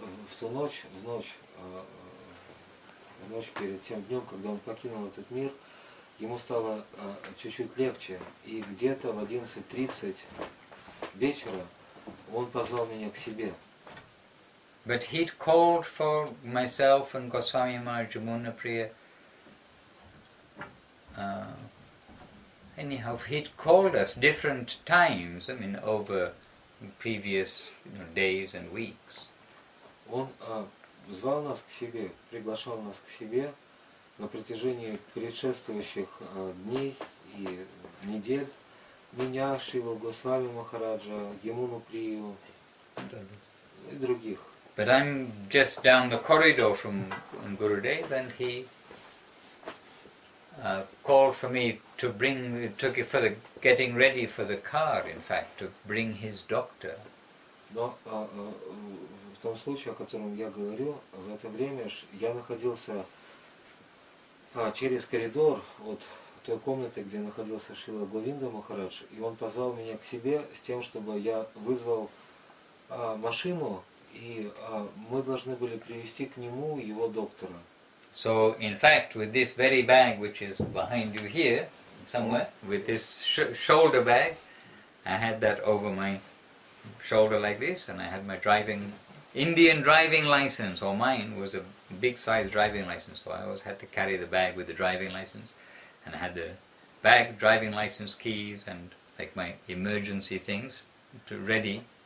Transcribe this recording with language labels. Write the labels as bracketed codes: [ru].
[ru] В ту ночь, в ночь перед тем днем, когда он покинул этот мир, ему стало чуть-чуть легче, и где-то в 11:30 вечера он позвал меня к себе. [en] But he'd called for myself and Goswami Maharaj Jamunapriya. Anyhow, he'd called us different times, I mean, over previous, you know, days and weeks. [ru] Он звал нас к себе, приглашал нас к себе на протяжении предшествующих дней и недель. Меня, Шрилу Госвами Махараджа, Ямуну Прию и других. [en] But I'm just down the corridor from Gurudev, and he called for me to bring, took it for the getting ready for the car, in fact, to bring his doctor. [ru] Но в том случае, о котором я говорю, в это время я находился через коридор от той комнаты, где находился Шрила Говинда Махарадж, и он позвал меня к себе с тем, чтобы я вызвал машину, и мы должны были привезти к нему его доктора. [en] So, in fact, with this very bag, which is behind you here, somewhere, with this shoulder bag, I had that over my shoulder like this, and I had my driving, Indian driving license, or mine was a big size driving license, so I always had to carry the bag with the driving license, and I had the bag, driving license, keys, and like my emergency things to ready.